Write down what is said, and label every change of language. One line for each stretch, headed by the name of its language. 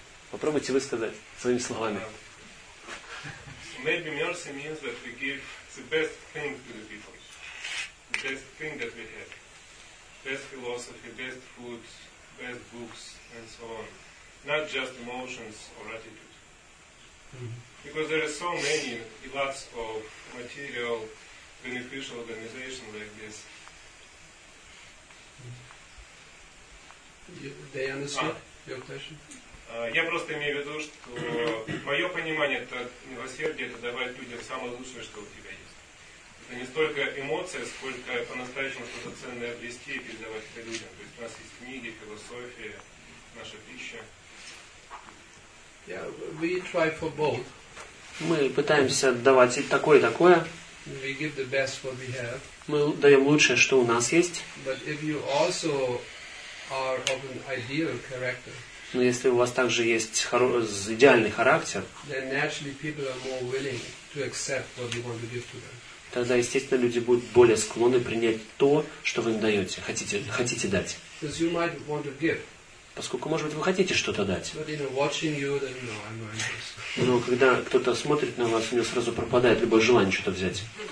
Russian: Попробуйте высказать своими словами.
English: Maybe mercy means that we give the best thing to the people. Best thing that we have. Best philosophy, best food, best books, and so on. Not just emotions or attitude. Mm-hmm. Because there are so many, lots of material, beneficial organizations like this. They understand your question?
Russian: Я просто имею в виду, что мое понимание, это милосердие, это давать людям самое лучшее, что у тебя есть. Это не столько эмоция, сколько по-настоящему что-то ценное обрести и передавать это людям. То есть у нас есть книги, философия, наша пища.
English: Yeah, we try for both.
Russian: Мы пытаемся давать и такое, и такое.
English: We give the best what we have.
Russian: Мы даем лучшее, что у нас есть.
English: But if you also are of an ideal character,
Russian: но если у вас также есть идеальный характер,
English: then naturally people are more willing to accept what you want to give to them.
Russian: Тогда, естественно, люди будут более склонны принять то, что вы им даете, хотите дать.
English: Because you might want to give.
Russian: Поскольку, может быть, вы хотите что-то дать.
English: But, you know, watching you, then, no, I'm not interested.
Russian: Но когда кто-то смотрит на вас, у него сразу пропадает любое желание что-то взять.